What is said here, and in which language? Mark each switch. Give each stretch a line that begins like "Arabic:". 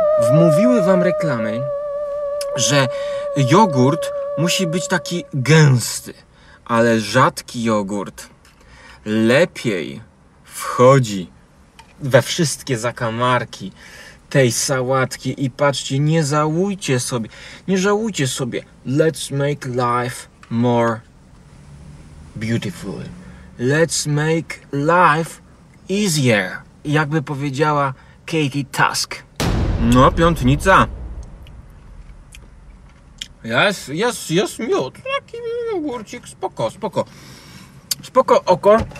Polish: Wmówiły wam reklamy, że jogurt musi być taki gęsty, ale rzadki jogurt lepiej wchodzi we wszystkie zakamarki tej sałatki. I patrzcie, nie żałujcie sobie, nie żałujcie sobie.
English: Let's make life more beautiful. Let's make life easier.
Polish: Jakby powiedziała Katie Tusk. No, piątnica. Jest miód. Taki jogurcik, spoko, spoko. Spoko, oko.